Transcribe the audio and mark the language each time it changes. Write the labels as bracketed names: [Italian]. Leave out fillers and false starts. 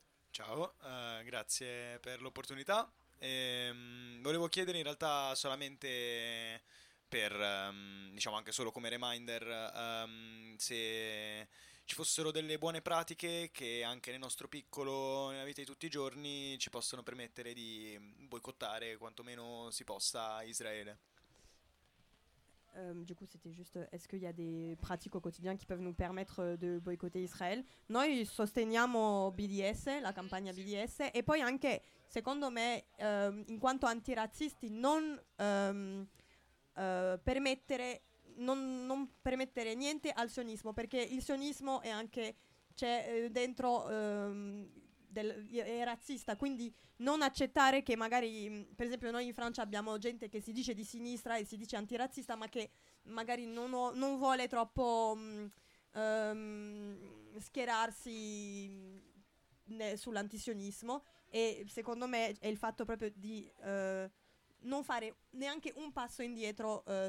[Italian] Ciao, grazie per l'opportunità. Volevo chiedere in realtà solamente per, diciamo anche solo come reminder, se ci fossero delle buone pratiche che anche nel nostro piccolo, nella vita di tutti i giorni, ci possono permettere di boicottare quantomeno si possa Israele. [French] Du coup, c'était juste, est-ce qu'il y a des pratiques au quotidien qui peuvent nous permettre de boycotter Israël? [Italian] Noi sosteniamo BDS, la campagna BDS, e poi anche, secondo me, in quanto antirazzisti, non permettere niente al sionismo, perché il sionismo è anche, c'è dentro, è razzista, quindi non accettare che magari, per esempio, noi in Francia abbiamo gente che si dice di sinistra e si dice antirazzista, ma che magari non vuole troppo schierarsi sull'antisionismo, e secondo me è il fatto proprio di non fare neanche un passo indietro